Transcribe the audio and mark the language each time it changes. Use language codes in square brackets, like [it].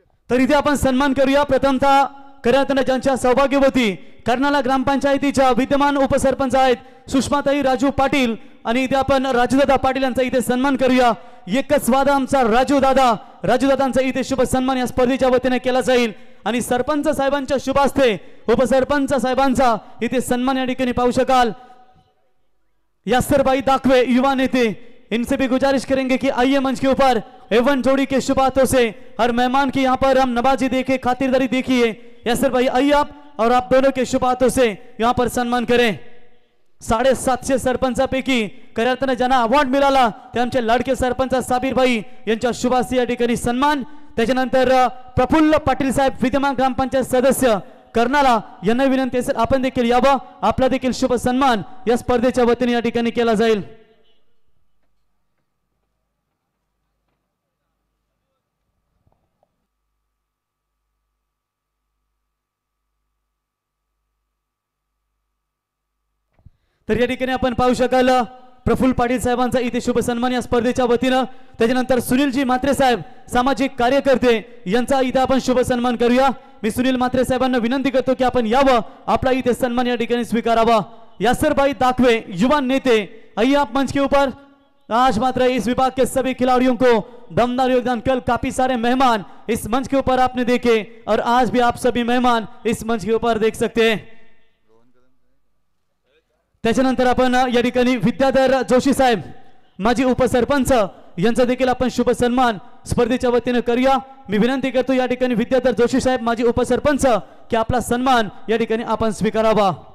[mr] तर इथे आपण सन्मान करूया प्रथमता करण्यात ज्यांच्या सौभाग्यवती कर्नाला ग्रामपंचायतीच्या विद्यमान उपसरपंच आहेत सुषमाताई राजू पाटील, आणि इथे आपण राजूदादा पाटील यांचा इथे सन्मान करूया. एकच वादा आमचा राजूदादा, राजूदादांचा इथे शुभ सन्मान या स्पर्धेच्या वतीने केला जाईल. आणि सरपंच साहेबांच्या शुभास्ते, उपसरपंच साहेबांचा इथे सन्मान या ठिकाणी पाहू शकाल. [hi] यासरबाई दाखवे युवा नेते, इनसे भी गुजारिश करेंगे कि आइए मंच के ऊपर एवन जोड़ी के शुभ हाथों से हर मेहमान की यहाँ पर हम नबाजी देखे, खातिरदारी देखिए. यासर भाई आइए आप और आप दोनों के शुभ हाथों से यहाँ पर सम्मान करें. [mr] 750 सरपंचा पैकी करतन ज्यांना अवॉर्ड मिळाला ते आमचे लाडके सरपंच साबीर भाई यांच्या शुभास्ते या ठिकाणी सन्मान. त्याच्यानंतर प्रफुल्ल पाटील साहेब विद्यमान ग्रामपंचायत सदस्य कर्नाला यांना विनंती असेल आपण देखील यावं, आपला देखील शुभ सन्मान या स्पर्धेच्या वतीने या ठिकाणी केला जाईल. तर या ठिकाणी आपण पाहू शकाल प्रफुल्ल पाटील साहेबांचा इथे शुभ सन्मान या स्पर्धेच्या वतीनं. त्याच्यानंतर सुनीलजी म्हात्रे साहेब सामाजिक कार्यकर्ते यांचा इथे आपण शुभ सन्मान करूया. मी सुनील म्हात्रे साहेबांना विनंती करतो की आपण यावं, आपला इथे सन्मान या ठिकाणी स्वीकारावा. [hi] यासरबाई दाखवे युवा नेते आइए आप मंच के ऊपर. आज मात्र इस विभाग के सभी खिलाड़ियों को दमदार योगदान, कल काफी सारे मेहमान इस मंच के ऊपर आपने देखे और आज भी आप सभी मेहमान इस मंच के ऊपर देख सकते हैं. [mr] त्याच्यानंतर आपण या ठिकाणी विद्याधर जोशी साहेब माजी उपसरपंच यांचा देखील आपण शुभ सन्मान स्पर्धेच्या वतीने करूया. मी विनंती करतो या ठिकाणी विद्याधर जोशी साहेब माजी उपसरपंच की आपला सन्मान या ठिकाणी आपण स्वीकारावा.